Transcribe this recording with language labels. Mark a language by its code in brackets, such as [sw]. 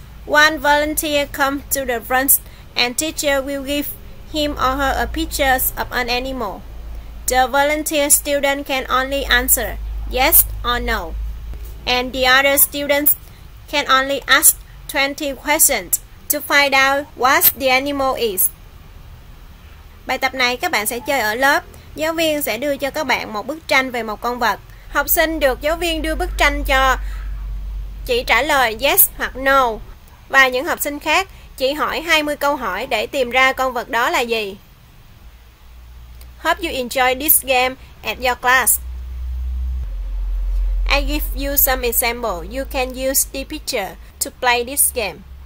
[en] One volunteer comes to the front and teacher will give him or her a picture of an animal. The volunteer student can only answer yes or no. And the other students can only ask 20 questions to find out what the animal is. [vi] Bài tập này các bạn sẽ chơi ở lớp. Giáo viên sẽ đưa cho các bạn một bức tranh về một con vật. Học sinh được giáo viên đưa bức tranh cho chỉ trả lời yes hoặc no. Và những học sinh khác chỉ hỏi 20 câu hỏi để tìm ra con vật đó là gì. [en] Hope you enjoy this game at your class. I give you some example. You can use the picture to play this game.